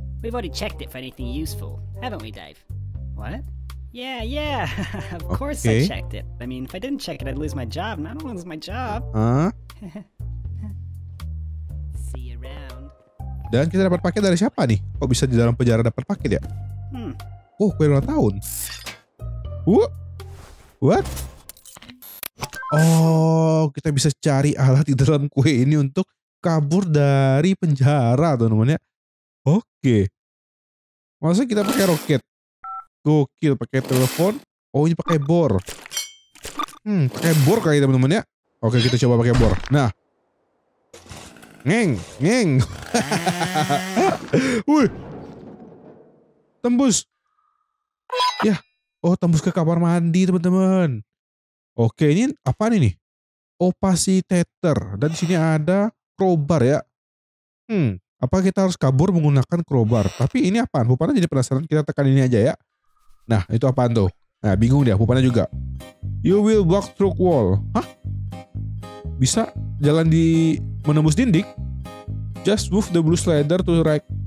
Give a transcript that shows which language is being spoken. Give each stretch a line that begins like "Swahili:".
English: We've already checked it for anything useful, haven't we, Dave? What? Yeah. Of course I checked it. I mean, if I didn't check it, I'd lose my job, and I don't want to lose my job. See you around.
Indonesian: Dan kita dapat paket dari siapa nih? Kok bisa di dalam penjara dapat paket ya? Kue ulang tahun. What? Oh, kita bisa cari alat di dalam kue ini untuk kabur dari penjara, teman-teman ya. Oke. Masa kita pakai roket. Gokil, pakai telepon. Oh, ini pakai bor. Pakai bor kali teman-teman ya. Oke, kita coba pakai bor. Nah. Ngeng. Wih. Tembus. Ya. Oh, tembus ke kamar mandi, teman-teman. Oke, ini apa nih nih? Opacitator. Dan di sini ada crowbar ya. Apa kita harus kabur menggunakan crowbar? Tapi ini apaan? Pupanya jadi penasaran, kita tekan ini aja ya. Nah, itu apaan tuh? Nah, bingung dia, Pupanya juga. You will walk through wall. Hah? Bisa jalan di menembus dinding?
English: Just move the blue slider to right.